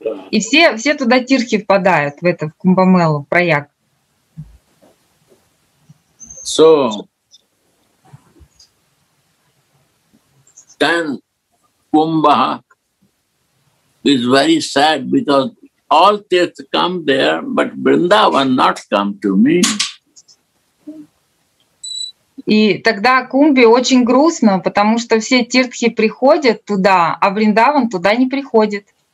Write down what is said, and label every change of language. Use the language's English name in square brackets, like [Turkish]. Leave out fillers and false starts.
[Russian] И все туда тирхи впадают в это, в Кумба-мелу, в проект. [English] So, then Kumbha is very sad because all tirth come there, but Vrindavan not come to me. [Russian] И тогда Кумбе очень грустно, потому что все тиртхи приходят туда, а Вриндаван туда не приходит.